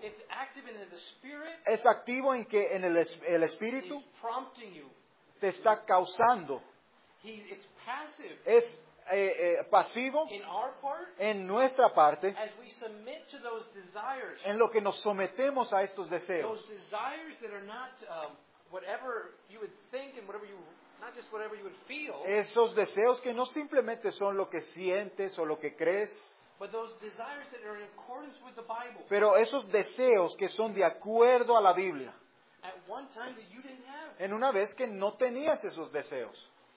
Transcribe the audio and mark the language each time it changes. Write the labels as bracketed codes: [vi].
[en] It's active in the Spirit, [es] es activo en que en el Espíritu [en] is prompting you. [es] Te está causando. [en] It's passive. [es] Es pasivo [en] in our part, [es] en nuestra parte, [en] as we submit to those desires, [es] en lo que nos sometemos a estos deseos. [en] Those desires that are not whatever you would think and whatever you not just whatever you would feel, [es] esos deseos que no simplemente son lo que sientes o lo que crees, [en] but those desires that are in accordance with the Bible, [es] pero esos deseos que son de acuerdo a la Biblia, [en] at one time that you didn't have, [es] en una vez que no tenías esos deseos.